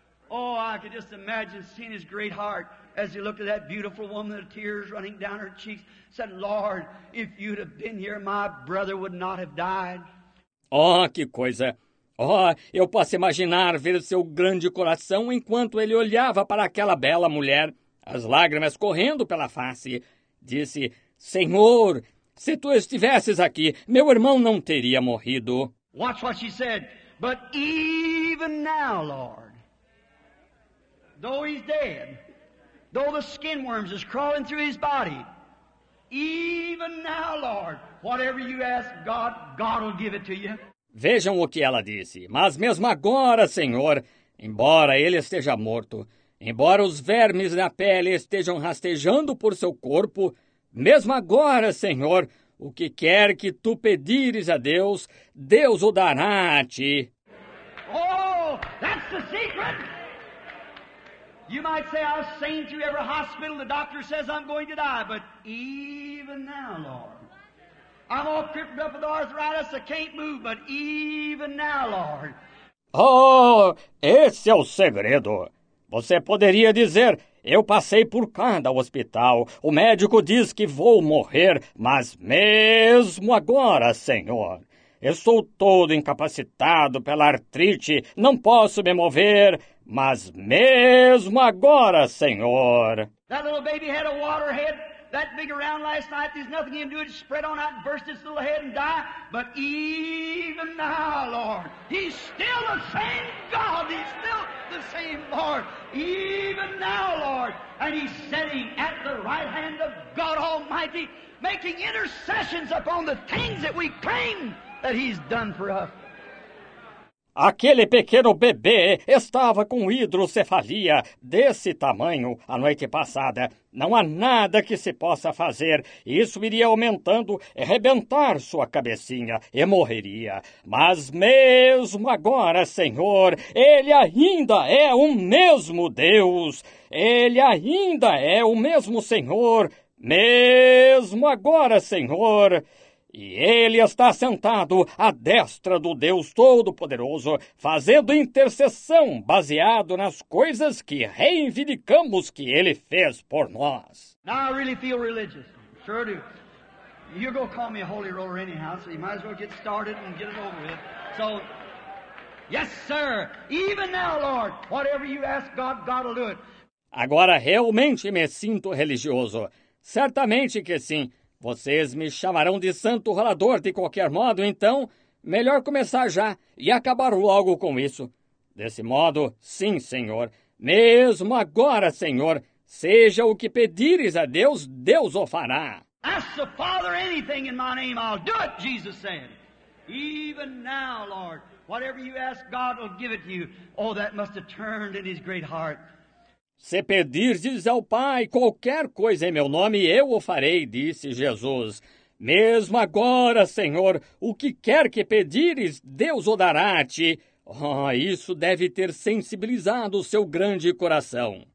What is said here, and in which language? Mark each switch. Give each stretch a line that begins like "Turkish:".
English: Oh, I could just imagine seeing his great heart as he looked at that beautiful woman, the tears running down her cheeks, said, Lord, if you'd have been here, my brother would not have died.
Portuguese: Oh, que coisa! Oh, eu posso imaginar ver seu grande coração enquanto ele olhava para aquela bela mulher, as lágrimas correndo pela face. Disse, Senhor, se tu estivesses aqui, meu irmão não teria morrido.
English: Watch what she said. But even now, Lord, though he's dead, though the skin worms is crawling through his body, even now, Lord, whatever you ask God, God will give it to you.
Portuguese: Vejam o que ela disse. Mas mesmo agora, Senhor, embora ele esteja morto, embora os vermes na pele estejam rastejando por seu corpo, mesmo agora, Senhor, o que quer que tu pedires a Deus, Deus o dará a ti.
English: Oh, that's the secret! You might say I've seen through every hospital, the doctor says I'm going to die, but even now, Lord, I'm all crippled up with arthritis, I can't move, but even now, Lord.
Portuguese: Oh, esse é o segredo. Você poderia dizer, eu passei por cada hospital, o médico diz que vou morrer, mas mesmo agora, Senhor, estou todo incapacitado pela artrite, não posso me mover, mas mesmo agora, Senhor.
English: That little baby had a water head. That big around last night, there's nothing he can do to spread on out and burst his little head and die. But even now, Lord, he's still the same God. He's still the same Lord. Even now, Lord, and he's sitting at the right hand of God Almighty, making intercessions upon the things that we claim that he's done for us.
Portuguese: Aquele pequeno bebê estava com hidrocefalia desse tamanho a noite passada. Não há nada que se possa fazer. Isso iria aumentando e rebentar sua cabecinha e morreria. Mas mesmo agora, Senhor, ele ainda é o mesmo Deus. Ele ainda é o mesmo Senhor. Mesmo agora, Senhor. E ele está sentado à destra do Deus Todo-Poderoso, fazendo intercessão baseado nas coisas que reivindicamos que ele fez por nós.
English: Now I really feel religious. Sure do. You're going to call me a holy roller anyhow, so you might as well get started and get it over with. So, yes, sir. Even now, Lord, whatever you ask God, God will do it.
Portuguese: Agora realmente me sinto religioso. Certamente que sim. Vocês me chamarão de santo rolador de qualquer modo, então melhor começar já e acabar logo com isso. Desse modo, sim, senhor. Mesmo agora, senhor, seja o que pedires a Deus, Deus o fará.
English: Ask the Father anything in my name, I'll do it, Jesus said. Even now, Lord, whatever you ask, God will give it to you. Oh, that must have turned in his great heart.
Portuguese: Se pedirdes ao Pai qualquer coisa em meu nome, eu o farei, disse Jesus. Mesmo agora, Senhor, o que quer que pedires, Deus o dará a ti. Oh, isso deve ter sensibilizado o seu grande coração.